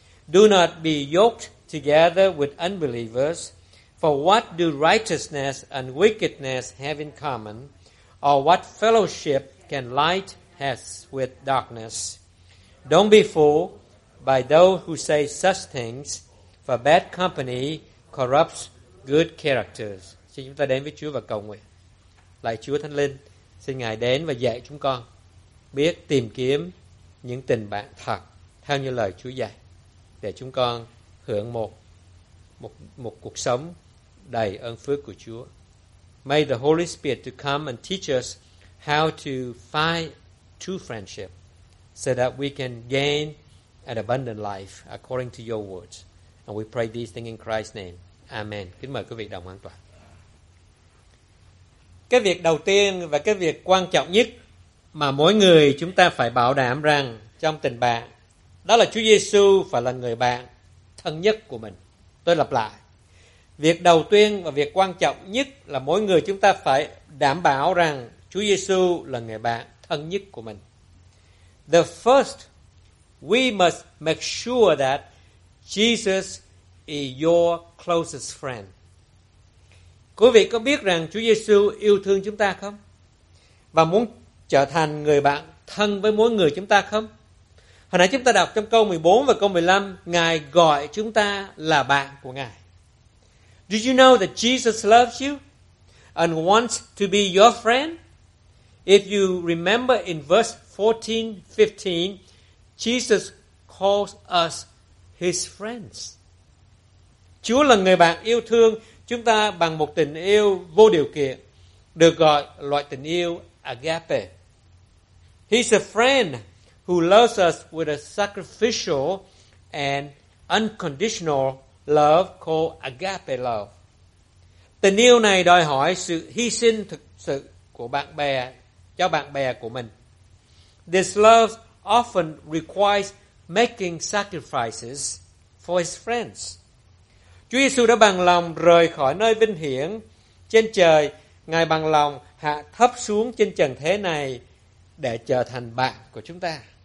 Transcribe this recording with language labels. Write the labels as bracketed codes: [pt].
[en] Do not be yoked together with unbelievers, for what do righteousness and wickedness have in common, or what fellowship can light has with darkness? Don't be fooled by those who say such things, for bad company corrupts good characters. [vi] Xin chúng ta đến với Chúa và cầu nguyện. Lạy Chúa Thánh Linh, xin Ngài đến và dạy chúng con biết tìm kiếm những tình bạn thật theo như lời Chúa dạy, để chúng con hưởng một cuộc sống đầy ơn phước của Chúa. [en] May the Holy Spirit to come and teach us how to find true friendship so that we can gain an abundant life according to your words. And we pray these things in Christ's name. Amen. [vi] Kính mời quý vị đồng an toàn. Cái việc đầu tiên và cái việc quan trọng nhất mà mỗi người chúng ta phải bảo đảm rằng trong tình bạn, đó là Chúa Giê-xu phải là người bạn thân nhất của mình. Tôi lặp lại. Việc đầu tiên và việc quan trọng nhất là mỗi người chúng ta phải đảm bảo rằng Chúa Giê-xu là người bạn thân nhất của mình. [en] The first, we must make sure that Jesus is your closest friend. [vi] Quý vị có biết rằng Chúa Giê-xu yêu thương chúng ta không? Và muốn trở thành người bạn thân với mỗi người chúng ta không? Hồi nãy chúng ta đọc trong câu 14 và câu 15, Ngài gọi chúng ta là bạn của Ngài. [en] Do you know that Jesus loves you and wants to be your friend? If you remember in verse 14, 15, Jesus calls us his friends. [vi] Chúa là người bạn yêu thương chúng ta bằng một tình yêu vô điều kiện, được gọi loại tình yêu agape. [en] He's a friend who loves us with a sacrificial and unconditional love called agape love. [vi] Tình yêu này đòi hỏi sự hy sinh thực sự của bạn bè, cho bạn bè của mình. [en] This love often requires making sacrifices for his friends. [vi] Chúa Giê-xu đã bằng lòng rời khỏi nơi vinh hiển trên trời. Ngài bằng lòng hạ thấp xuống trên trần thế này để trở thành bạn của chúng ta.